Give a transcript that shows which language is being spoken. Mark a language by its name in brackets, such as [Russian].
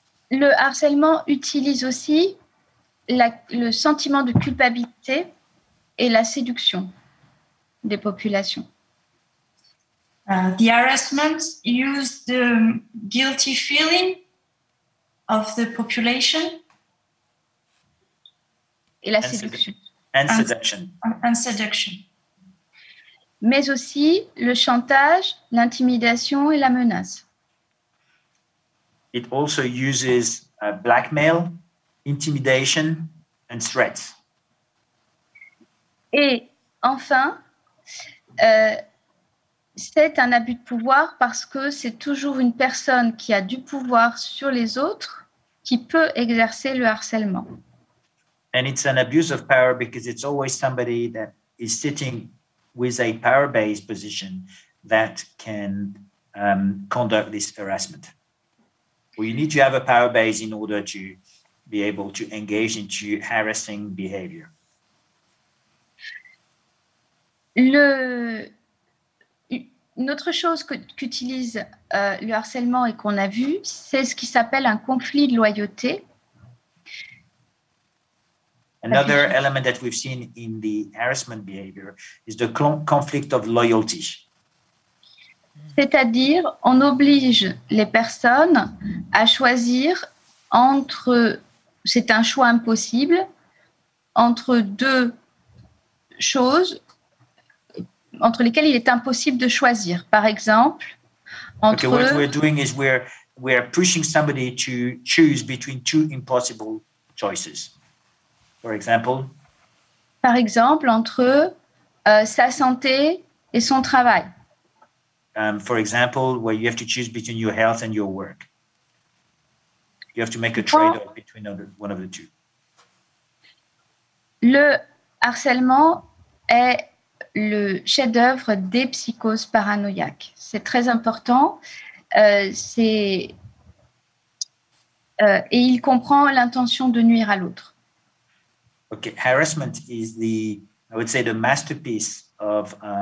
[French] Le harcèlement utilise aussi le sentiment de culpabilité et la séduction des populations. [English] The harassment used the guilty feeling of the population. [French] Et la séduction. [English] And seduction. [French] Mais aussi le chantage, l'intimidation et la menace. [English] It also uses blackmail, intimidation, and threats. [French] Et enfin, c'est un abus de pouvoir parce que c'est toujours une personne qui a du pouvoir sur les autres qui peut exercer le harcèlement. [English] And it's an abuse of power because it's always somebody that is sitting with a power-based position that can conduct this harassment. Well, you need to have a power base in order to be able to engage into harassing behavior. [French] Une autre chose qu'utilise le harcèlement et qu'on a vu, c'est ce qui s'appelle un conflit de loyauté. [English] Another element that we've seen in the harassment behavior is the conflict of loyalty. [French] C'est-à-dire, on oblige les personnes à choisir entre, c'est un choix impossible, entre deux choses entre lesquelles il est impossible de choisir. Par exemple, entre... [English] Okay, what we're doing is we're pushing somebody to choose between two impossible choices. [French] Par exemple, entre sa santé et son travail. [English] For example, where you have to choose between your health and your work. You have to make a trade-off between one of the two. [French] Le harcèlement est le chef-d'œuvre des psychoses paranoïaques. C'est très important. Et il comprend l'intention de nuire à l'autre. [English] Okay, harassment is the, I would say, the masterpiece of...